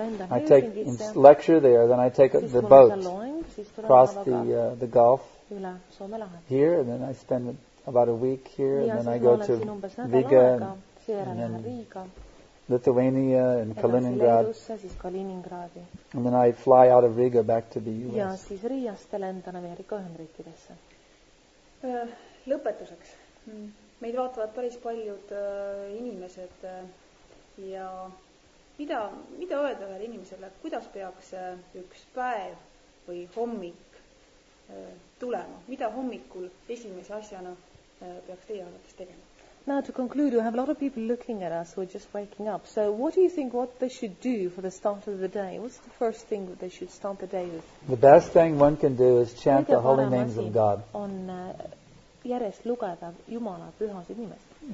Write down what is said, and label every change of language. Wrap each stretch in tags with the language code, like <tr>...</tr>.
<en>I take lecture there, then I take the boat across the Gulf here, and then I spend about a week here, and then I go to Riga and And then Lithuania and Kaliningrad.</en> <et>Kaliningradi.</et> <en>And then I fly out of Riga back to the US.</en> <et>Ja siis Riiast lendan Ameerika Ühendriikidesse. Lõpetuseks. Meid vaatavad päris paljud inimesed ja mida öelda ühele inimesele, kuidas peaks üks päev või hommik tulema? Mida hommikul esimese asjana peaks teie arvates tegema?</et> <en>Now to conclude, we have a lot of people looking at us who are just waking up. So what do you think what they should do for the start of the day? What's the first thing that they should start the day with? The best thing one can do is chant the holy names of God.</en> <et>On järjest lugeda Jumala pühasid nimesid.</et>